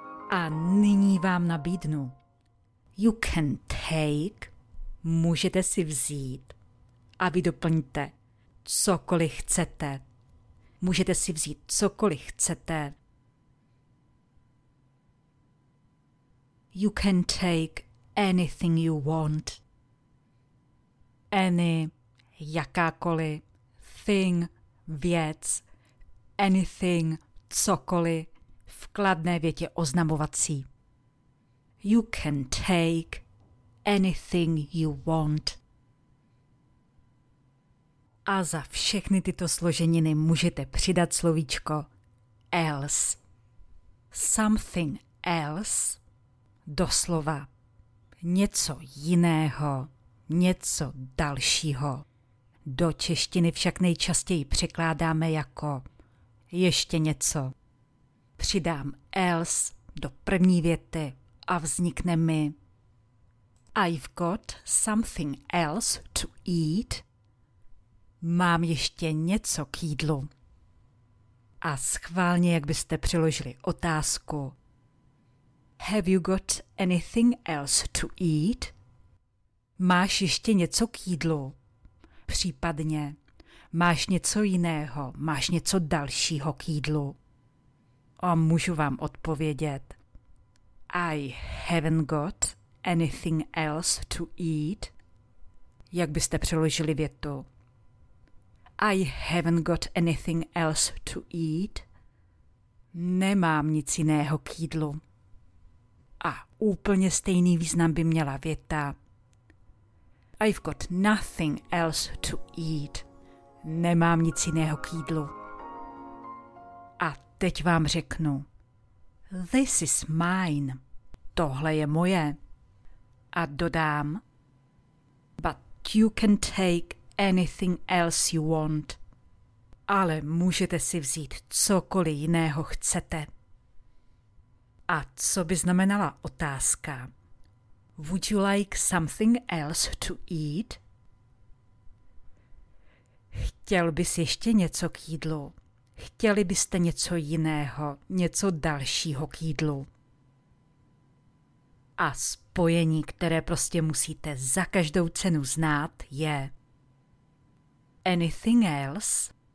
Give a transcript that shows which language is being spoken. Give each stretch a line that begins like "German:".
Czech: A nyní vám nabídnu.
English: You can take.
Czech: Můžete si vzít. A vy doplňte. Cokoliv chcete. Můžete si vzít cokoliv chcete.
English: You can take anything you want.
Czech: Any, jakákoli, thing, věc, anything, cokoliv, v kladné větě oznamovací.
English: You can take anything you want.
Czech: A za všechny tyto složeniny můžete přidat slovíčko else. Something else. Doslova, něco jiného, něco dalšího. Do češtiny však nejčastěji překládáme jako ještě něco. Přidám else do první věty a vznikne mi
English: I've got something else to eat.
Czech: Mám ještě něco k jídlu. A schválně, jak byste přiložili otázku.
English: Have you got anything else to eat?
Czech: Máš ještě něco k jídlu? Případně, máš něco jiného, máš něco dalšího k jídlu? A můžu vám odpovědět.
English: I haven't got anything else to eat.
Czech: Jak byste přeložili větu?
English: I haven't got anything else to eat.
Czech: Nemám nic jiného k jídlu. A úplně stejný význam by měla věta.
English: I've got nothing else to eat.
Czech: Nemám nic jiného k jídlu. A teď vám řeknu.
English: This is mine.
Czech: Tohle je moje. A dodám.
English: But you can take anything else you want.
Czech: Ale můžete si vzít cokoliv jiného chcete. A co by znamenala otázka?
English: Would you like something else to eat?
Czech: Chtěl bys ještě něco k jídlu? Chtěli byste něco jiného, něco dalšího k jídlu? A spojení, které prostě musíte za každou cenu znát, je anything else?